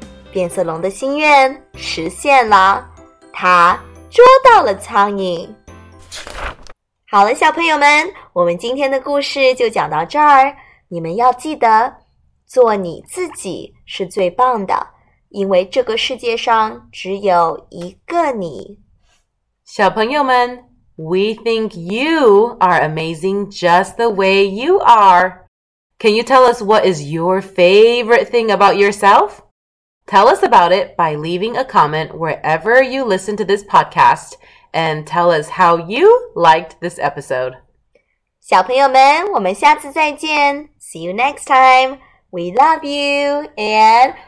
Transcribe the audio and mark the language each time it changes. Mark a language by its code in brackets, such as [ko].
[zh] 变色龙的心愿实现了，它捉到了苍蝇。好了，小朋友们，我们今天的故事就讲到这儿。你们要记得，做你自己是最棒的，因为这个世界上只有一个你。 [en] 小朋友们， We think you are amazing just the way you are. Can you tell us what is your favorite thing about yourself? Tell us about it by leaving a comment wherever you listen to this podcast and tell us how you liked this episode. [zh] 小朋友们，我们下次再见。 [en] See you next time. We love you and